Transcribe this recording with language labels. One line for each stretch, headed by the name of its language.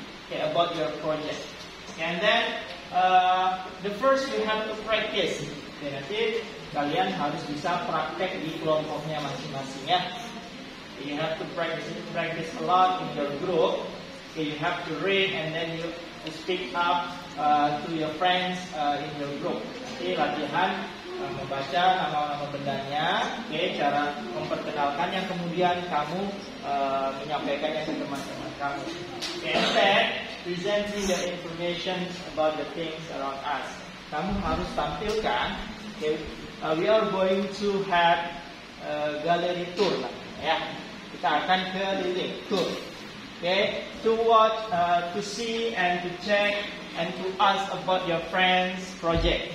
English: Okay, about your project. And then, the first you have to practice.
Indonesian: Okay, nanti kalian harus bisa praktek di kelompoknya masing-masing ya.
English: You have to practice a lot in your group. Okay, you have to read and then you speak up to your friends in your group.
Indonesian: Nanti latihan membaca nama-nama bendanya, okay, cara memperkenalkan yang kemudian kamu menyampaikannya ke teman-teman kamu.
English: Okay, and then presenting the information about the things around us.
Indonesian: Kamu harus tampilkan.
English: Okay, we are going to have gallery tour lah.
Indonesian: Ya, kita akan ke lirik tour.
English: Okay, to watch, to see, and to check, and to ask about your friends' project.